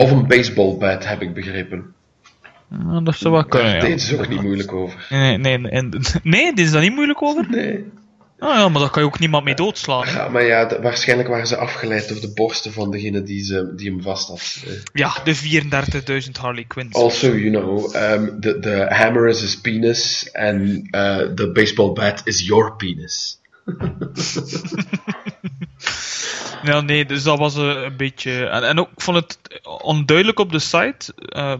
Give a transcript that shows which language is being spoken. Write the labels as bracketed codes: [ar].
[nl] Of een baseball bat, heb ik begrepen. Ja, dat zou wel kunnen, daar deed ze ook niet moeilijk over. Nee, deed ze daar niet moeilijk over? Nee. Nou ja, maar daar kan je ook niemand mee doodslaan. Ja, maar ja, waarschijnlijk waren ze afgeleid door de borsten van degene die hem vast had. Ja, de 34.000 Harley Quinns. [en] Also, you know, the hammer is his penis and the baseball bat is your penis. [nl] Nee, dus dat was een beetje... En ook, ik vond het onduidelijk op de site.